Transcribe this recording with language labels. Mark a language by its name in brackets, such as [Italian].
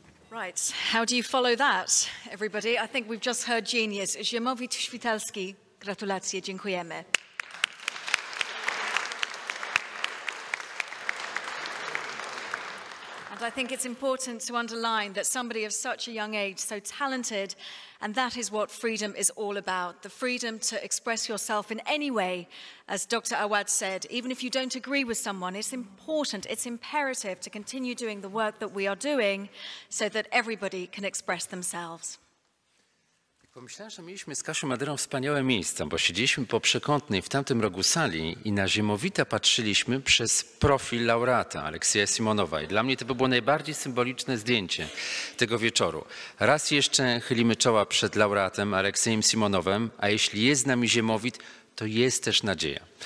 [English] Right, how do you follow that, everybody? I think we've just heard genius. [Polish] Zimowit Świtalski, gratulacje, dziękujemy. [English] And I think it's important to underline that somebody of such a young age, so talented, and that is what freedom is all about, the freedom to express yourself in any way, as Dr. Awad said, even if you don't agree with someone, it's important, it's imperative to continue doing the work that we are doing so that everybody can express themselves. [Polish] Pomyślałem, że mieliśmy z Kasią Maderą wspaniałe miejsce, bo siedzieliśmy po przekątnej w tamtym rogu sali i na Zimowita patrzyliśmy przez profil laureata Aleksieja Simonowa. I dla mnie to by było najbardziej symboliczne zdjęcie tego wieczoru. Raz jeszcze chylimy czoła przed laureatem Aleksiejem Simonowem, a jeśli jest z nami Zimowit, to jest też nadzieja.